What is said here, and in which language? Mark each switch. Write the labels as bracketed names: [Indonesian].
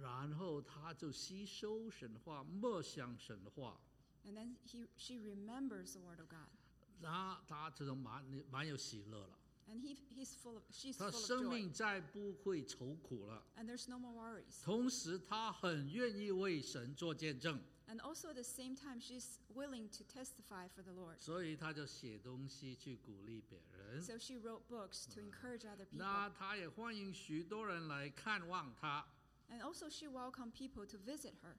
[Chinese] 然后他就吸收神的话，默想神的话。 [English] And then she remembers the word of God. [Chinese] 那他这种蛮有喜乐了。 [English] And he's full of, she's full of joy. [Chinese] 他生命再不会愁苦了。 [English] And there's no more worries. [Chinese] 同时他很愿意为神做见证。 [English] And also at the same time, she's willing to testify for the Lord. [Chinese] 所以他就写东西去鼓励别人。 [English] So she wrote books to encourage other people. [Chinese] 那他也欢迎许多人来看望他。 [English] And also she welcomed people to visit her.